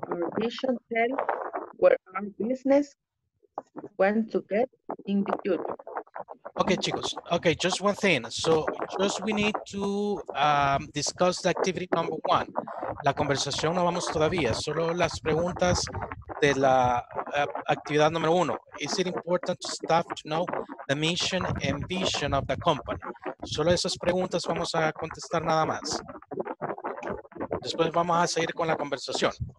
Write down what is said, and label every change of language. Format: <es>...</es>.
<en>Our vision tells where our business went to get in the future. Okay, chicos. Okay, just one thing. So, just we need to discuss the activity number one.</en> <es>La conversación no vamos todavía. Solo las preguntas de la actividad número uno.</es> <en>Is it important to staff to know the mission and vision of the company?</en> <es>Solo esas preguntas vamos a contestar nada más. Después vamos a seguir con la conversación.</es>